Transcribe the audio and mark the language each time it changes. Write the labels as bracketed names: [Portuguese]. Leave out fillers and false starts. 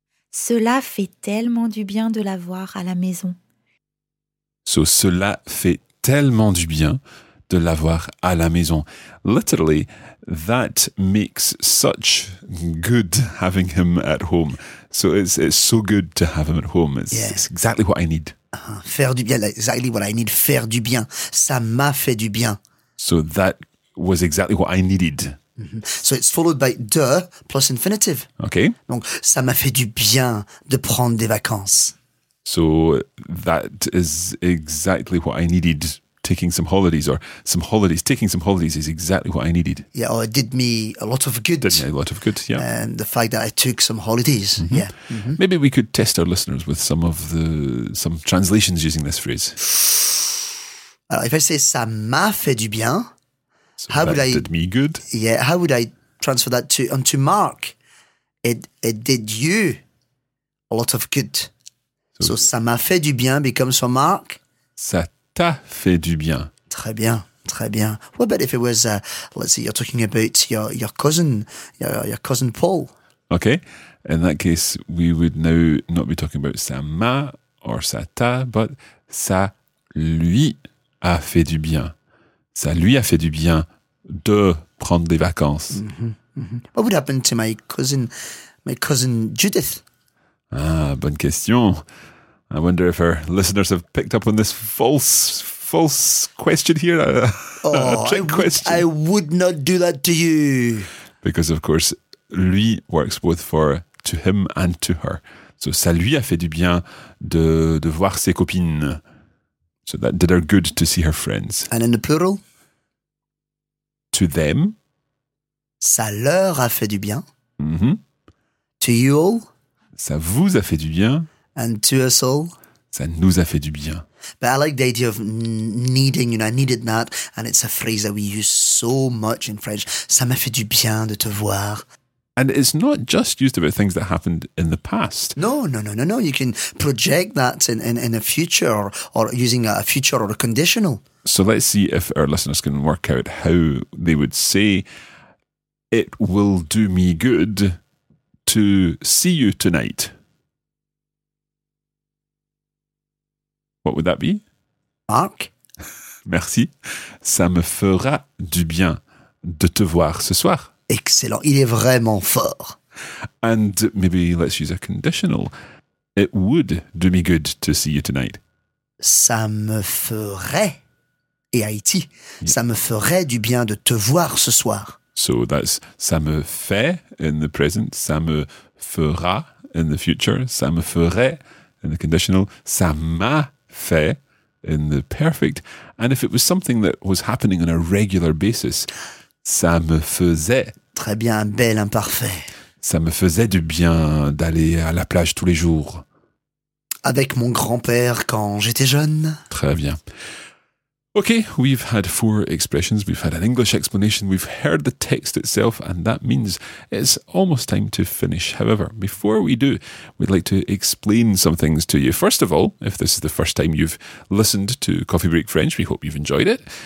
[French] Cela fait tellement du bien de la voir à la maison. So, cela fait tellement du bien de l'avoir à la maison. [English] Literally, that makes such good having him at home. So it's so good to have him at home. It's exactly what I need. [French] Faire du bien, [English] exactly what I need. [French] Faire du bien. Ça m'a fait du bien. [English] So that was exactly what I needed. Mm-hmm. So it's followed by de plus infinitive. Okay. [French] Donc, ça m'a fait du bien de prendre des vacances. [English] So that is exactly what I needed. Taking some holidays or some holidays. Taking some holidays is exactly what I needed. Yeah, or it did me a lot of good. Did me a lot of good, yeah. And the fact that I took some holidays, mm-hmm. yeah. Mm-hmm. Maybe we could test our listeners with some translations using this phrase. [French] Alors, [English] if I say, [French] ça m'a fait du bien, [English] so how would I... did me good. Yeah, how would I transfer that onto Mark? It did you a lot of good. [French] So ça m'a fait du bien [English] becomes for Mark. [French] Ça t'a fait du bien. Très bien, très bien. [English] What about if it was, let's see, you're talking about your cousin Paul. Okay, in that case, we would now not be talking about ça m'a or ça t'a, but ça lui a fait du bien. [French] Ça lui a fait du bien de prendre des vacances. [English] Mm-hmm, mm-hmm. What would happen to my cousin Judith? [French] Ah, bonne question. [English] I wonder if our listeners have picked up on this false question here. A trick question. I would not do that to you. Because, of course, lui works both for to him and to her. [French] So, ça lui a fait du bien de voir ses copines. [English] So, that did her good to see her friends. And in the plural? To them. [French] Ça leur a fait du bien. Mm-hmm. [English] To you all. [French] Ça vous a fait du bien. [English] And to us all. [French] Ça nous a fait du bien. [English] But I like the idea of needing, you know, I needed that. And it's a phrase that we use so much in French. [French] Ça m'a fait du bien de te voir. [English] And it's not just used about things that happened in the past. No. You can project that in a future or using a future or a conditional. So let's see if our listeners can work out how they would say, it will do me good to see you tonight. What would that be? Mark. [French] Merci. Ça me fera du bien de te voir ce soir. Excellent. Il est vraiment fort. [English] And maybe let's use a conditional. It would do me good to see you tonight. [French] Ça me ferait, et IT, yeah. Ça me ferait du bien de te voir ce soir. [English] So that's ça me fait in the present. [French] Ça me fera [English] in the future. Ça me ferait in the conditional. Ça m'a fait in the perfect. And if it was something that was happening on a regular basis, [French] ça me faisait. Très bien, un bel imparfait. Ça me faisait du bien d'aller à la plage tous les jours. Avec mon grand-père quand j'étais jeune. Très bien. [English] Okay, we've had four expressions, we've had an English explanation, we've heard the text itself, and that means it's almost time to finish. However, before we do, we'd like to explain some things to you. First of all, if this is the first time you've listened to Coffee Break French, we hope you've enjoyed it.